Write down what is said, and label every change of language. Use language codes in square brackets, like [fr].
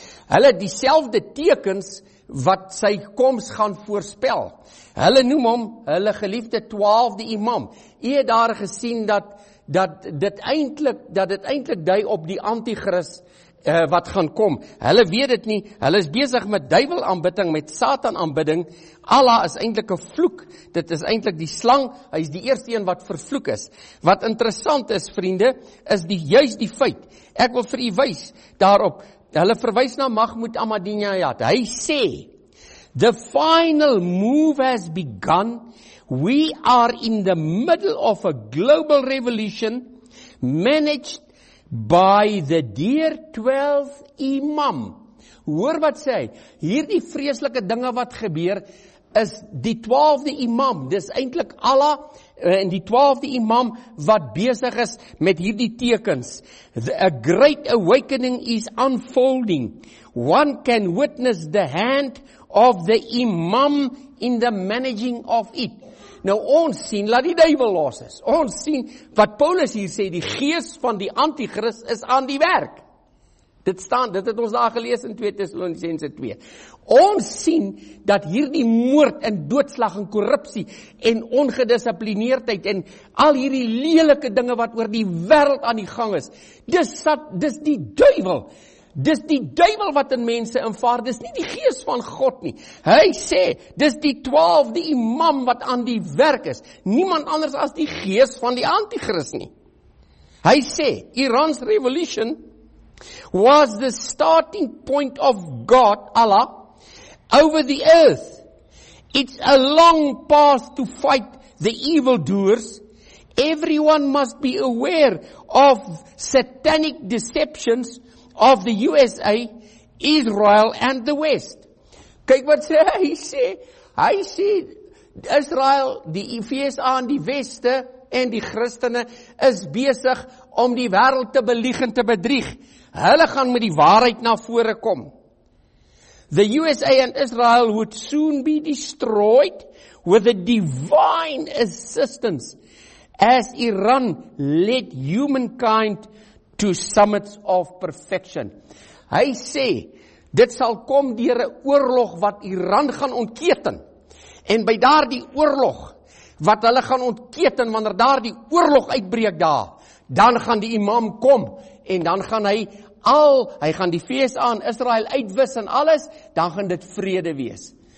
[af] Hulle het dieselfde tekens wat sy koms gaan voorspel. Hulle noem hom hulle geliefde 12de imam. U het daar gesien dat dit eintlik dui op die antichrist wat gaan kom. Hulle weet dit nie. Hulle is besig met duiwel aanbidding, met Satan aanbidding. Allah is eintlik 'n vloek. Dit is eintlik die slang. Hy is die eerste een wat vervloek is. Wat interessant is, vriende, is die juist die feit. Ek wil vir u wys daarop. Hulle verwys na Mahmud Ahmadinejad. Hy sê, [en] "The final move has begun. We are in the middle of a global revolution managed by the dear 12 imam." [af] Hoor wat sê hy? Hierdie vreeslike dinge wat gebeur is die 12de imam. Dis eintlik Allah en die 12de imam wat besig is met hierdie tekens. [en] A great awakening is unfolding. One can witness the hand of the imam in the managing of it. [af] Nou ons sien, laat die duivel los is. Ons sien, wat Paulus hier sê, die gees van die antichrist is aan die werk. Dit staan, dit het ons daar gelees in 2 Thessalonicense 2. Ons sien, dat hierdie moord en doodslag en korrupsie en ongedisciplineerdheid en al hierdie lelike dinge wat oor die wêreld aan die gang is, dis die duivel. Dis die duivel wat in mense invaar, dis nie die gees van God nie. Hy sê, dis die 12de imam wat aan die werk is. Niemand anders as die gees van die antichrist nie. Hy sê, [en] Iran's revolution was the starting point of God, Allah, over the earth. It's a long path to fight the evildoers. Everyone must be aware of satanic deceptions of the USA, Israel and the West. [af] Kyk wat sê, hy sê, Israel, die VSA en die Weste en die Christene is besig om die wêreld te belieg en te bedrieg. Hulle gaan met die waarheid na vore kom. [en] The USA and Israel would soon be destroyed with the divine assistance as Iran led humankind to summits of perfection. [af] Hy sê, dit sal kom deur 'n oorlog wat Iran gaan ontketen. En by daardie oorlog, wat hulle gaan ontketen, wanneer daardie oorlog uitbreek daar, dan gaan die imam kom, en dan gaan hy gaan die VSA en Israel uitwis en alles, dan gaan dit vrede wees.